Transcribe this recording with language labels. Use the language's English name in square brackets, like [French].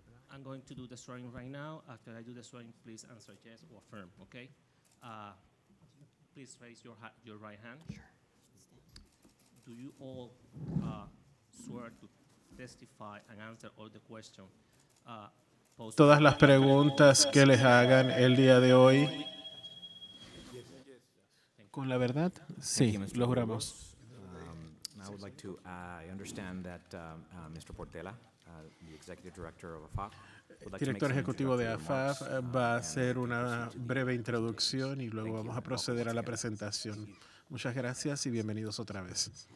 [English] I'm going to do the swearing right now. After I do the swearing, please answer yes or affirm, okay? Please raise your right hand. Sure. Do you all swear to testify and answer all the questions? [Spanish] Todas las preguntas que les hagan el día de hoy. ¿Con la verdad? Sí, lo juramos. [English] I would like to, I understand that Mr. Portela, the executive director of AFAC, [Spanish] el director ejecutivo de AFAF va a hacer una breve introducción y luego vamos a proceder a la presentación. Muchas gracias y bienvenidos otra vez.